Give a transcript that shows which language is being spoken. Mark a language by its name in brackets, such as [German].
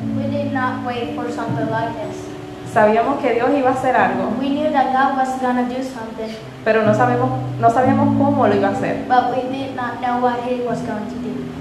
[English] We did not wait for something like this. [Spanish] Sabíamos que Dios iba a hacer algo. [English] We knew that God was gonna do something. [Spanish] Pero no sabíamos cómo lo iba a hacer. [English] But we did not know what he was going to do.